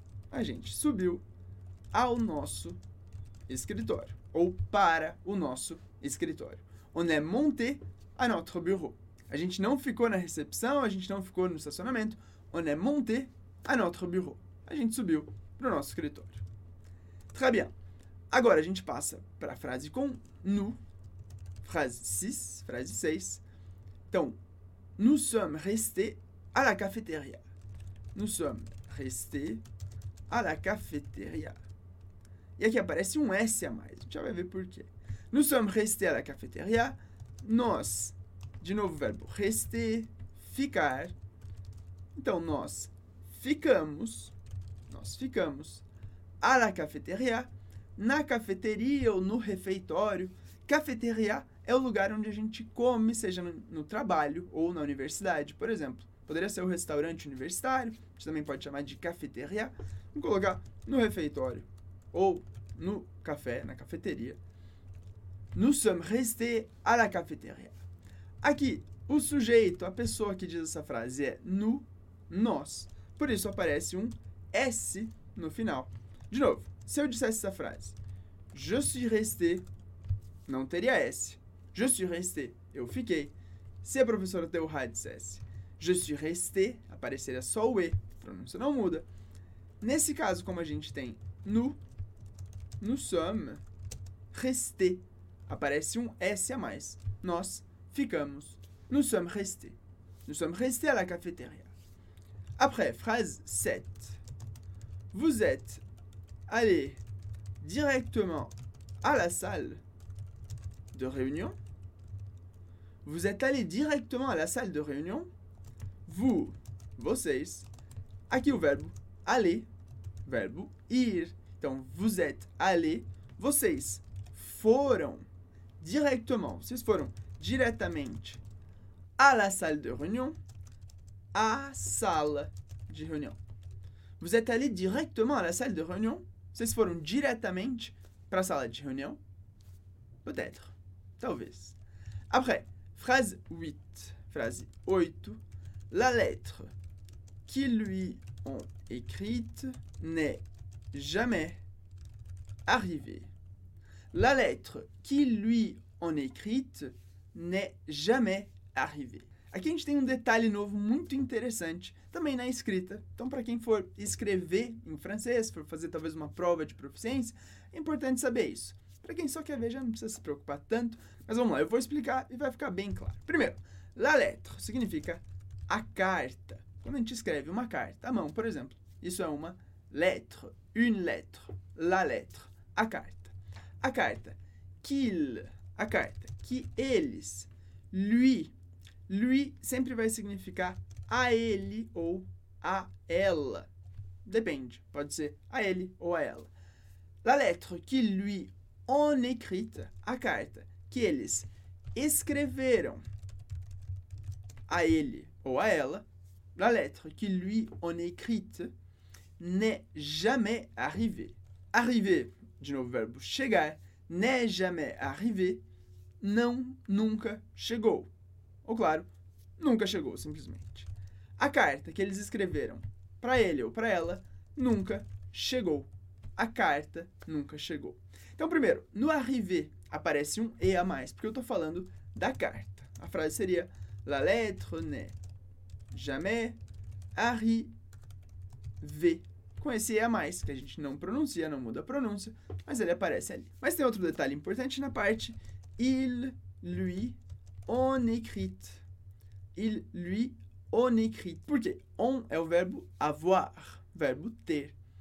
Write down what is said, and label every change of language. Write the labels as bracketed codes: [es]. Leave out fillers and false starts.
[pt] A gente subiu ao nosso escritório, ou para o nosso escritório. [fr] On est monté à notre bureau. [pt] A gente não ficou na recepção, a gente não ficou no estacionamento. [fr] On est monté à notre bureau. [pt] A gente subiu para o nosso escritório. [fr] Très bien. [pt] Agora a gente passa para a frase com nous. Frase 6. Então, [fr] nous sommes restés à la cafétéria. Nous sommes restés à la cafétéria. [pt] E aqui aparece um S a mais. A gente já vai ver por quê. Nous sommes restés à la cafétéria. Nós, de novo o verbo rester, ficar. Então, nós ficamos [fr] à la cafétéria. [pt] Na cafeteria ou no refeitório. Cafeteria é o lugar onde a gente come, seja no trabalho ou na universidade, por exemplo. Poderia ser o restaurante universitário, a gente também pode chamar de cafeteria. Vamos colocar no refeitório ou no café, na cafeteria. [fr] Nous sommes restés à la cafeteria. [pt] Aqui, o sujeito, a pessoa que diz essa frase é nós. Por isso aparece um S no final. De novo, se eu dissesse essa frase, [fr] je suis resté [pt] não teria S. [fr] Je suis resté, [pt] eu fiquei. Se a professora Théorat dissesse [fr] Je suis resté, [pt] apareceria só o E, a pronúncia não muda. Nesse caso, como a gente tem [fr] nous sommes, resté, [pt] aparece um S a mais. Nós ficamos. [fr] Nous sommes restés. Nous sommes restés à la cafétéria. Après, phrase 7. Vous êtes allé directement à la salle de réunion. Vous êtes allé directement à la salle de réunion. [pt] Vous, vocês. Aqui o verbo aller, verbo ir. [fr] Então, vous êtes allé, [pt] vocês foram [fr] directement. [pt] Vocês foram diretamente [fr] à la salle de réunion, à salle de réunion. Vous êtes allé directement à la salle de réunion? [pt] Vocês foram diretamente para a sala de réunion? [fr] Peut-être. [pt] Talvez. [fr] Après, phrase 8. Phrase 8. La lettre qu'ils lui ont écrite n'est jamais arrivée. La lettre qu'ils lui ont écrite n'est jamais arrivée. [pt] Aqui a gente tem um detalhe novo muito interessante, também na escrita. Então, para quem for escrever em francês, for fazer talvez uma prova de proficiência, é importante saber isso. Para quem só quer ver, já não precisa se preocupar tanto. Mas vamos lá, eu vou explicar e vai ficar bem claro. Primeiro, la lettre significa a carta. Quando a gente escreve uma carta à mão, por exemplo, isso é uma lettre, [fr] une lettre, la lettre, [pt] a carta. A carta, qu'il, a carta, que eles, lui, lui sempre vai significar a ele ou a ela. Depende, pode ser a ele ou a ela. [fr] La lettre que lui ont écrite, [pt] a carta que eles escreveram a ele ou a ela. [fr] La lettre que lui ont écrite n'est jamais arrivée. [pt] Arriver, de novo o verbo chegar, [fr] n'est jamais arrivé, [pt] não, nunca chegou. Ou claro, nunca chegou, simplesmente. A carta que eles escreveram para ele ou para ela nunca chegou. A carta nunca chegou. Então, primeiro, no arrivé aparece um E a mais, porque eu estou falando da carta. A frase seria [fr] La lettre n'est jamais arrivé. [pt] Com esse E a mais, que a gente não pronuncia, não muda a pronúncia, mas ele aparece ali. Mas tem outro detalhe importante na parte [fr] Il, lui, on écrit. Il, lui, on écrit. [pt] Porque on é o verbo avoir, verbo ter.